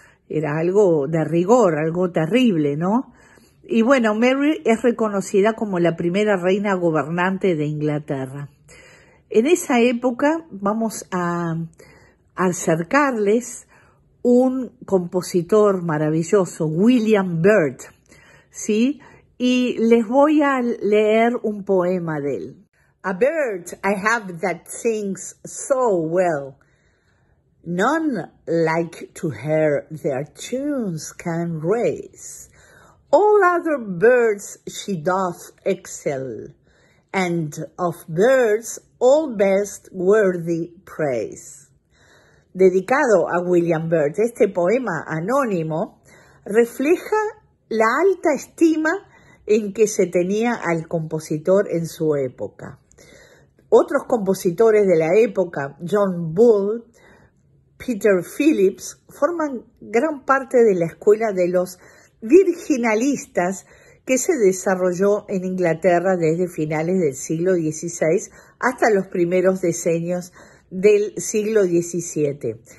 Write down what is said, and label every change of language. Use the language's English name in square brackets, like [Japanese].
[Spanish] Era algo de rigor, algo terrible, ¿no? Y bueno, Mary es reconocida como la primera reina gobernante de Inglaterra. En esa época vamos a acercarles un compositor maravilloso, William Byrd, ¿sí? Y les voy a leer un poema de él. [English] A bird I have that sings so well. None like to hear their tunes can raise. All other birds she doth excel, and of birds all best worthy praise. [Spanish] Dedicado a William Byrd, este poema anónimo refleja la alta estima en que se tenía al compositor en su época. Otros compositores de la época, John Bull, Peter Phillips, forman gran parte de la escuela de los virginalistas que se desarrolló en Inglaterra desde finales del siglo XVI hasta los primeros decenios del siglo XVII.